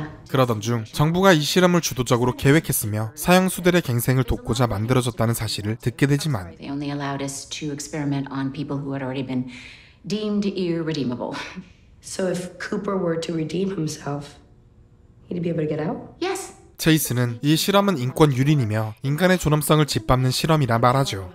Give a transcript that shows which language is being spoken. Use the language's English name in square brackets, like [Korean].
[Korean] 그러던 중 정부가 이 실험을 주도적으로 계획했으며 사형수들의 갱생을 돕고자 만들어졌다는 사실을 듣게 되지만 [English] They only allowed us to experiment on people who had already been deemed irredeemable. So if Cooper were to redeem himself, he'd be able to get out? Yes. [Korean] 체이스는 이 실험은 인권 유린이며 인간의 존엄성을 짓밟는 실험이라 말하죠.